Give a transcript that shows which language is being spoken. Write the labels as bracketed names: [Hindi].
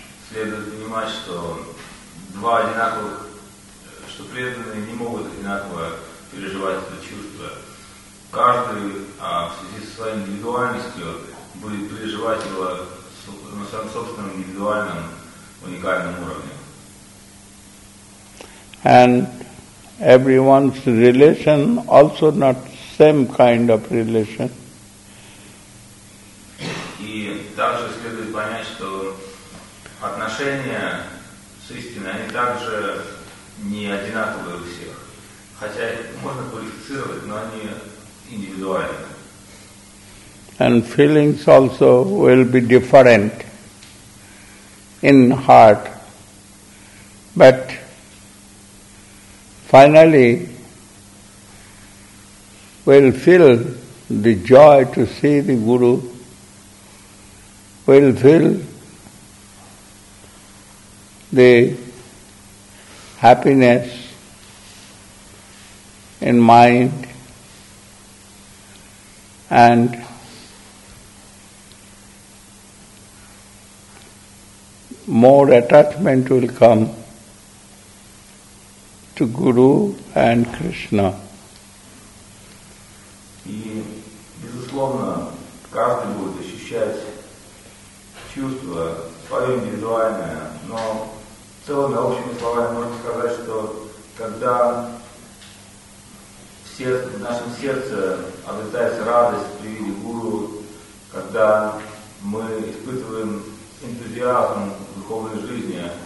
[Russian] Следует понимать, что два одинаковых, что преданные не могут одинаково переживать это чувство. Каждый в связи со своей индивидуальностью будет переживать его на своем собственном индивидуальном уникальном уровне. [English] And everyone's relation also not same kind of relation. [Russian] И также следует понять, что отношения с истиной, они также не одинаковые у всех. Хотя их можно квалифицировать, но они индивидуальны. [English] And feelings also will be different in heart. But finally, we'll feel the joy to see the Guru, we'll feel the happiness in mind, and more attachment will come to Guru and Krishna. [Russian] И, безусловно, каждый будет ощущать чувство свое индивидуальное, но в целом, общими словами, можно сказать, что когда в нашем сердце обретается радость при виде Гуру, когда мы испытываем энтузиазм в духовной жизни,